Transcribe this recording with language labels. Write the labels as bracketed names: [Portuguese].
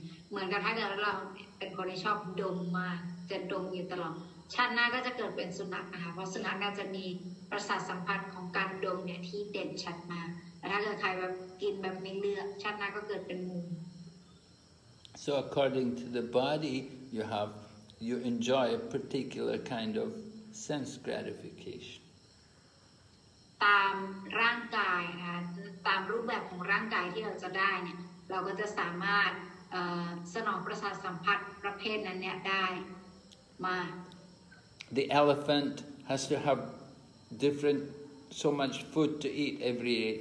[Thai] เหมือนกับถ้าเกิดเราเป็นคนที่ชอบดมมาจะดมอยู่ตลอดชาติหน้าก็จะเกิดเป็นสุนัขนะคะเพราะสุนัขก็จะมีประสาทสัมผัสของการดมเนี่ยที่เด่นชัดมากแต่ถ้าเกิดใครแบบกินแบบไม่เลือกชาติหน้าก็เกิดเป็นงู [English] So according to the body you have you enjoy a particular kind of sense gratification [Thai] ตามร่างกายนะตามรูปแบบของร่างกายที่เราจะได้เนี่ยเราก็จะสามารถสนองประสาทสัมผัสประเภทนั้นเนี่ยได้มา [English] The elephant has to have different so much food to eat every day.